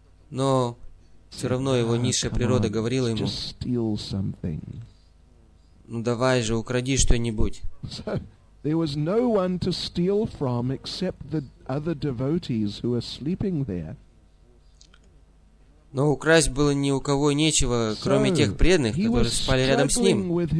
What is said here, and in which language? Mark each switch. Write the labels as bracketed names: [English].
[Russian] Но все равно его низшая природа говорила ему, ну давай же, укради что-нибудь. [English] There was no one to steal from except the other devotees who were sleeping there. [Russian] Но украсть было ни у кого нечего, кроме тех преданных, которые спали рядом с ним.